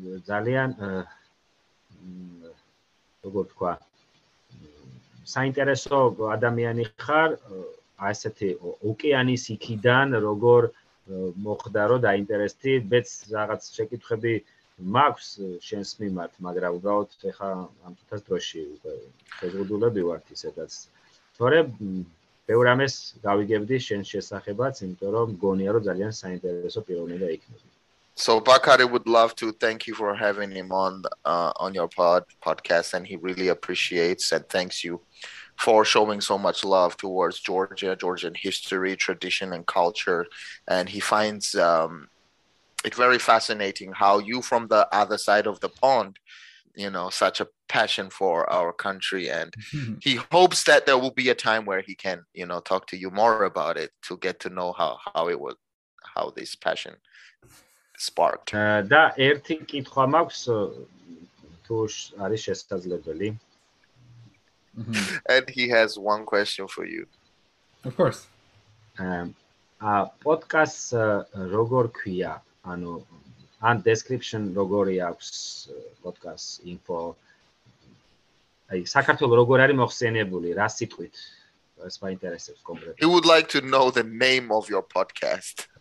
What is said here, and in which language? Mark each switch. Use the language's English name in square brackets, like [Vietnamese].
[Georgian] ძალიან როგორ ვთქვა საინტერესო ადამიანი ხარ ასეთი ოკეანის იქიდან როგორ მოხდა რომ დაინტერესდი, მეც რაღაც შეკითხები მაქვს შენს მიმართ, მაგრამ უბრალოდ ეხა ამ თვითას დროში უკვე შეზღუდულები ვართ ისედაც. თორე ბევრ ამას გავიგებდი შენს შესახებაც, იმიტომ რომ გონია რომ ძალიან საინტერესო პიროვნება იქნება. [English] So Bakari would love to thank you for having him on your podcast, and he really appreciates and thanks you for showing so much love towards Georgia, Georgian history, tradition, and culture. And he finds it very fascinating how you from the other side of the pond, such a passion for our country. And he hopes that there will be a time where he can, talk to you more about it to get to know how this passion sparked. [Georgian] და ერთი კითხვა მაქვს თუ არის შესაძლებელი. [English] And he has one question for you. Of course. [Georgian] Podcast როგორ ქვია? ანუ ან description როგორი აქვს podcast info? აი საქართველოს როგორ არის მოხსენიებული, რა სიტყვით? ეს მაინტერესებს [English] He [Georgian] კონკრეტულად. [English] would like to know the name of your podcast.